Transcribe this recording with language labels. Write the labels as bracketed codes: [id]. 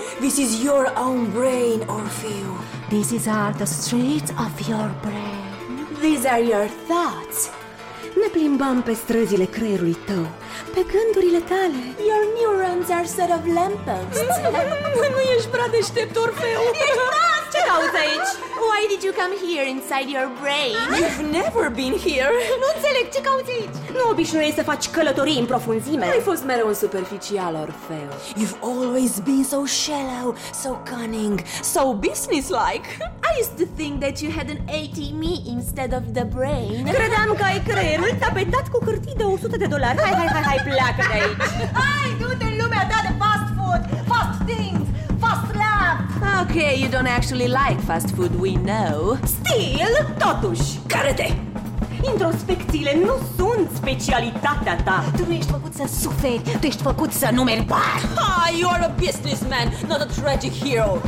[en] This is your own brain, Orfeu. These are the streets of your brain. These are your thoughts. [ro] Ne plimbăm pe străzile creierului tău, pe gândurile tale. [en] Your neurons are set of lampposts. [ro] Nu ești prea deștept, Orfeu. Ești prost! Ce cauți aici? [en] Why did you come here inside your brain? You've never been here. [ro] Nu înțeleg, ce cauți aici? Nu obișnuiești să faci călătorii în profunzime. Ai fost mereu un superficial, Orfeu. [en] You've always been so shallow, so cunning, so businesslike. I used to think that you had an ATM instead of the brain. [ro] Credeam că ai creierul tapetat cu hârtii de $100. Hai, hai, hai, hai, pleacă de aici. Hai, du-te în lumea ta de [en] fast food, fast things, fast love. Okay, you don't actually like fast food, we know. Still, [ro] totuși, care-te! Introspecțiile nu sunt specialitatea ta. Tu nu ești făcut să suferi. Tu ești făcut să numeri bani. [en] Ha, you are a businessman, not a tragic hero.